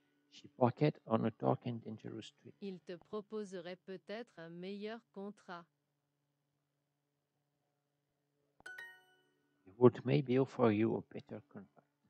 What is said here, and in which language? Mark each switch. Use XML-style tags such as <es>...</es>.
<en>his pocket on a dark and dangerous street.</en> <fr>Il te proposerait peut-être un meilleur contrat.</fr> <en>He would maybe offer you a better contract.</en>